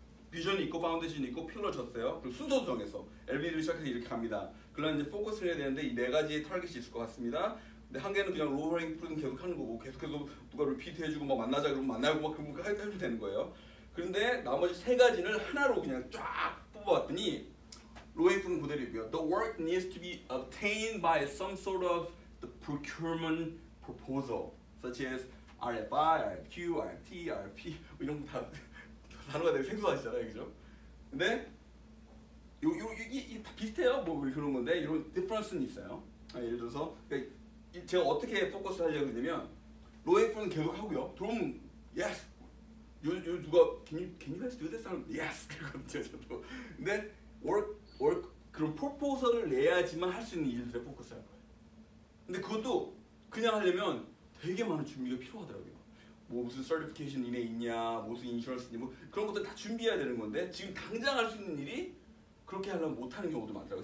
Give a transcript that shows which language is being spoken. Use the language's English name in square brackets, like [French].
[Korean] 비전이 있고 파운데이션이 있고 필러 줬어요. 그리고 순서도 정했어. LBD를 시작해서 이렇게 갑니다. 그러면 이제 포커스를 해야 되는데 이 네 가지의 타겟이 있을 것 같습니다. 근데 한 개는 그냥 로우링 프로그램 계속 하는 거고 계속해서 누가 리피트 해주고 막 만나자 그러면 만나고 막 그런 거 해주면 되는 거예요. 그런데 나머지 세 가지는 하나로 그냥 쫙 뽑아왔더니 로잉프는 그대로 있고요. [English] The work needs to be obtained by some sort of the procurement proposal, such as RFI, RFQ, RFT, RFP [Korean] 뭐 이런 거 다 단어가 되게 생소하시잖아요, 그죠? 근데 이 비슷해요, 뭐 그런 건데 이런 difference는 있어요. 예를 들어서 그러니까 제가 어떻게 포커스 하려고 했냐면 로잉프는 계속 하고요. 그럼 yes, 요 누가 [English] can you guys do this? [Korean] 하면 yes 그거죠, 저도. 근데 work 그런 프로포설을 내야지만 할 수 있는 일들에 포커스할 거예요. 근데 그것도 그냥 하려면 되게 많은 준비가 필요하더라고요. 뭐 무슨 certification 이네 있냐, 무슨 insurance 있냐, 뭐 그런 것들 다 준비해야 되는 건데 지금 당장 할 수 있는 일이 그렇게 하려면 못하는 경우도 많더라고요.